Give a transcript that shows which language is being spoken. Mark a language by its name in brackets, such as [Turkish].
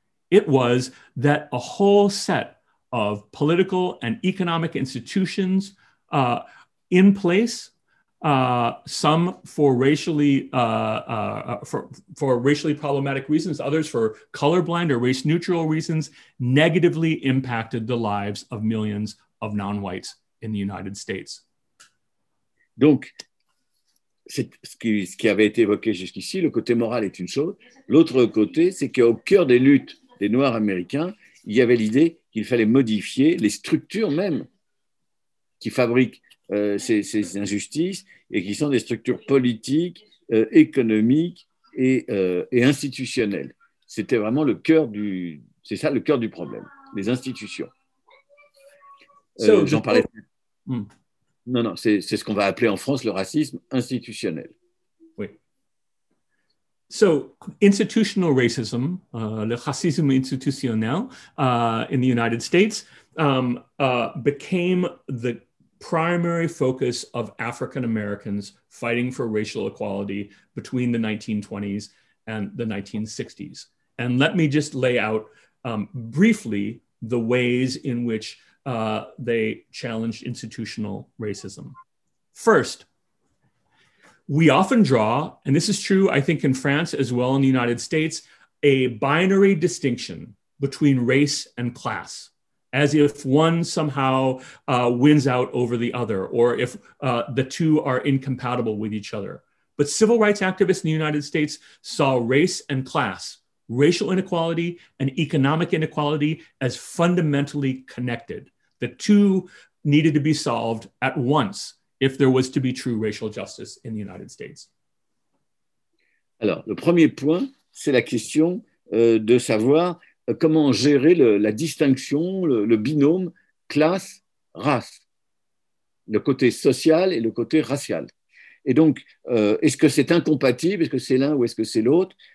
[English] It was that a whole set of political and economic institutions in place, some for racially problematic reasons, others for colorblind or race neutral reasons, negatively impacted the lives of millions of non-whites in the United States. [French] Donc, ce qui avait été évoqué jusqu'ici, le côté moral est une chose. L'autre côté, c'est qu'au cœur des luttes des Noirs américains, il y avait l'idée qu'il fallait modifier les structures mêmes qui fabriquent ces injustices et qui sont des structures politiques, économiques et institutionnelles. C'était vraiment le cœur du problème, les institutions. J'en parlais. Non, c'est ce qu'on va appeler en France le racisme institutionnel. Oui. [English] So, institutional racism, [French] le racisme institutionnel [English] in the United States became the primary focus of African Americans fighting for racial equality between the 1920s and the 1960s. And let me just lay out briefly the ways in which they challenged institutional racism. First, we often draw, and this is true, I think, in France as well in the United States, a binary distinction between race and class, as if one somehow wins out over the other, or if the two are incompatible with each other. But civil rights activists in the United States saw race and class, racial inequality and economic inequality, as fundamentally connected. The two needed to be solved at once if there was to be true racial justice in the United States. [French] Alors, le premier point, c'est la question de savoir comment gérer la distinction, le binôme classe-race, le côté social et le côté racial. Et donc, est-ce que c'est incompatible, est-ce que c'est l'un ou est-ce que c'est l'autre?